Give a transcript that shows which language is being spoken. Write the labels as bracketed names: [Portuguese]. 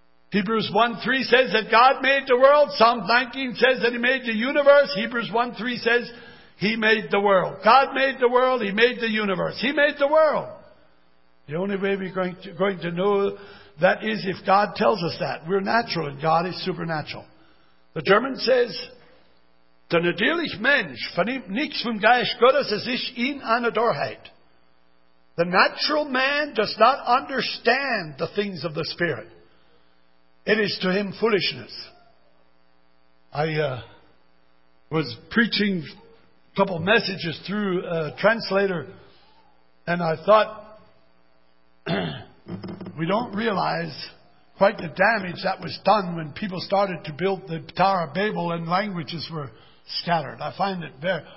[English] Hebrews 1:3 says that God made the world. Psalm 19 says that He made the universe. Hebrews 1:3 says He made the world. God made the world. He made the universe. He made the world. The only way we're going to know that is if God tells us that. We're natural and God is supernatural. The German says, [German] Der natürliche Mensch vernimmt nichts vom Geist Gottes, es ist in einer Dorheit. [English] The natural man does not understand the things of the Spirit. It is to him foolishness. I was preaching a couple messages through a translator, and I thought, we don't realize quite the damage that was done when people started to build the Tower of Babel and languages were scattered. I find it there.